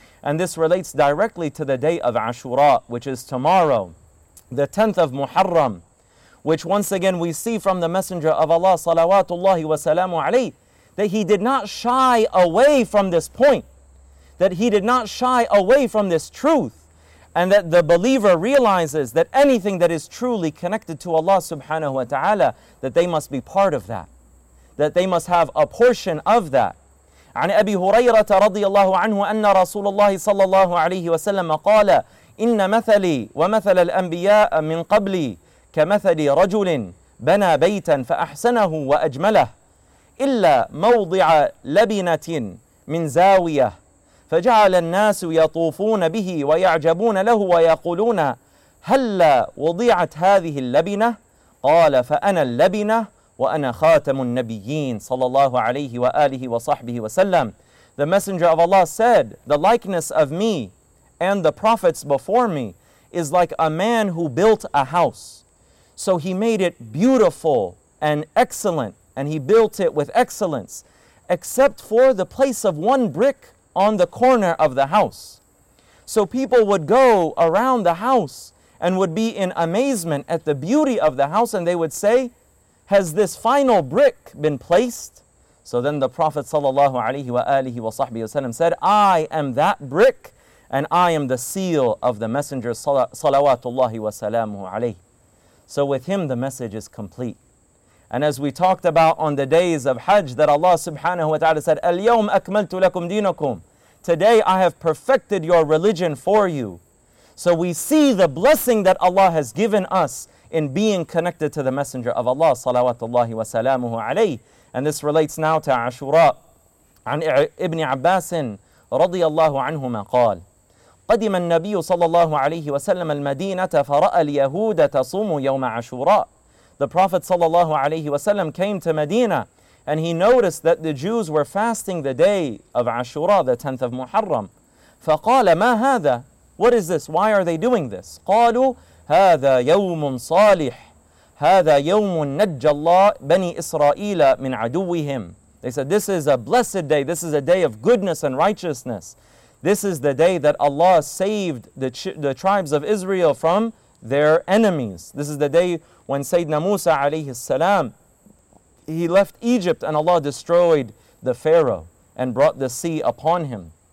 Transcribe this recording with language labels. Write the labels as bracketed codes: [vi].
[en] And this relates directly to the day of Ashura, which is tomorrow, the 10th of Muharram, which once again we see from the Messenger of Allah salawatullahi wa salamu alayhi, that He did not shy away from this point, that He did not shy away from this truth, and that the believer realizes that anything that is truly connected to Allah subhanahu wa ta'ala, that they must be part of that, that they must have a portion of that. [ar] عن أبي هريرة رضي الله عنه أن رسول الله صلى الله عليه وسلم قال إن مثلي ومثل الأنبياء من قبلي كمثل رجل بنى بيتا فأحسنه وأجمله إلا موضع لبنة من زاوية فجعل الناس يطوفون به ويعجبون له ويقولون هلا وضعت هذه اللبنة قال فأنا اللبنة وأنا خاتم النبيين صلى الله عليه وآله وصحبه وسلم. [en] The Messenger of Allah said, the likeness of me and the prophets before me is like a man who built a house. So he made it beautiful and excellent, and he built it with excellence, except for the place of one brick on the corner of the house. So people would go around the house and would be in amazement at the beauty of the house, and they would say, has this final brick been placed? So then the Prophet sallallahu alaihi wa alihi wa sahbihi wasallam said, I am that brick, and I am the seal of the Messenger salawatullahi wa salamu alayhi. So with him, the message is complete. And as we talked about on the days of Hajj, that Allah subhanahu wa ta'ala said, [ar] اليوم أكملت لكم دينكم. [en] Today I have perfected your religion for you. So we see the blessing that Allah has given us in being connected to the Messenger of Allah, salawatullahi wa salamuhu alayhi. And this relates now to Ashura. [ar] عن ابن عباس رضي الله عنهما قال قدم النبي صلى الله عليه وسلم المدينة فرأى اليهود تصوم يوم عاشوراء. [en] The Prophet [ar] صلى الله عليه وسلم [en] came to Medina, and he noticed that the Jews were fasting the day of Ashura, the 10th of Muharram. [ar] فقال ما هذا? [en] What is this? Why are they doing this? [ar] قالوا هذا يوم صالح هذا يوم نجى الله بني إسرائيل من عدوهم. [en] They said, this is a blessed day. This is a day of goodness and righteousness. This is the day that Allah saved the tribes of Israel from their enemies. This is the day when Sayyidina Musa alayhi salam, he left Egypt and Allah destroyed the Pharaoh and brought the sea upon him.